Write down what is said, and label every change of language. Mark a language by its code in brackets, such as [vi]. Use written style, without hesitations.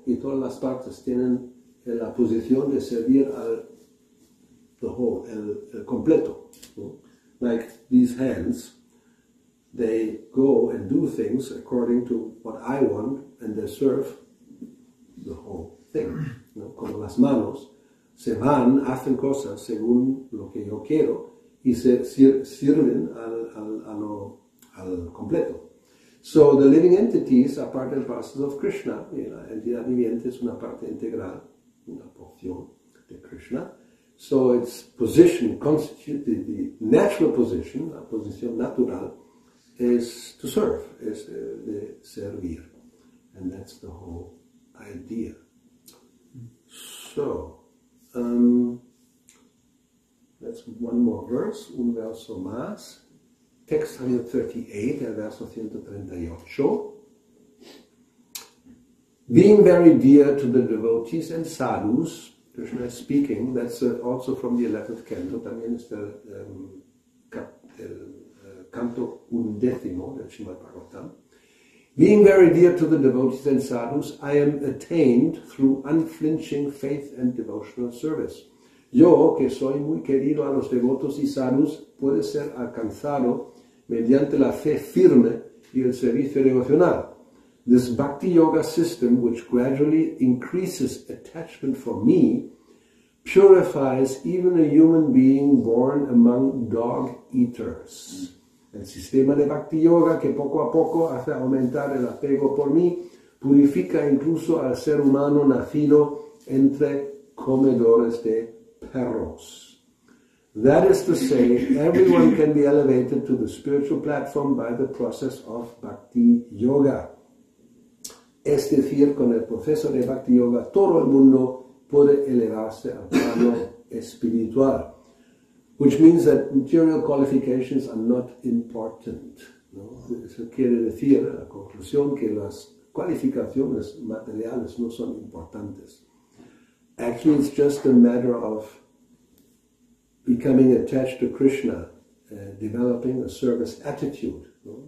[es] Y todas las partes tienen la posición de servir al [en] the whole, [es] el completo. ¿No? [en] Like these hands, they go and do things according to what I want, and they serve the whole thing. [es] ¿No? Como las manos se van, hacen cosas según lo que yo quiero, y se sirven al completo. [en] So the living entities are part and parcel of Krishna. [es] La entidad viviente es una parte integral, una porción de Krishna. [en] So its position, constituted the natural position, [es] la posición natural, [en] is to serve, is [es] de servir. [en] And that's the whole idea. So, that's one more verse, [es] un verso más. Texto 38, el verso 138. [en] Being very dear to the devotees and sadhus, Krishna is speaking, that's also from the 11th canto, [es] también es del canto undécimo del Srimad Bhagavatam. [en] Being very dear to the devotees and sadhus, I am attained through unflinching faith and devotional service. [es] Yo, que soy muy querido a los devotos y sadhus, puede ser alcanzado mediante la fe firme y el servicio devocional. [en] This Bhakti-yoga system, which gradually increases attachment for me, purifies even a human being born among dog-eaters. [es] El sistema de Bhakti-yoga, que poco a poco hace aumentar el apego por mí, purifica incluso al ser humano nacido entre comedores de perros. [en] That is to say, everyone can be elevated to the spiritual platform by the process of Bhakti Yoga. [es] Es decir, con el proceso de Bhakti Yoga, todo el mundo puede elevarse al plano espiritual. [en] Which means that material qualifications are not important. [es] ¿No? Eso quiere decir, la conclusión, que las cualificaciones materiales no son importantes. [en] Actually, it's just a matter of becoming attached to Krishna, developing a service attitude. [es] ¿No?